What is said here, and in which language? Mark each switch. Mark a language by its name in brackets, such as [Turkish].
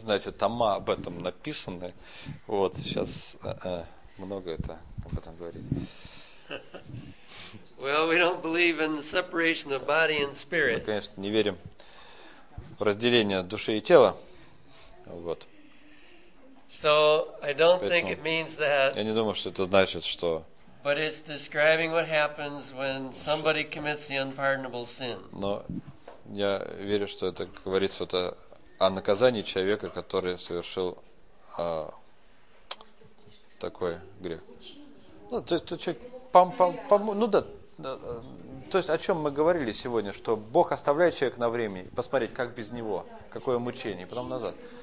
[Russian] Знаете, там об этом написано. Вот, сейчас много это об этом говорить. [English] Well, we don't believe in the separation of body and spirit. [Russian] Мы, конечно, не верим в разделение души и тела. Вот. [English] So, I don't think it means that. [Russian] Я не думаю, что это значит, что... [English] But it's describing what happens when somebody commits the unpardonable sin. [Russian] Но я верю, что это говорится вот о наказании человека, который совершил такой грех. Ну, то есть, то есть, о чем мы говорили сегодня, что Бог оставляет человека на время, посмотреть, как без него, какое мучение, потом назад.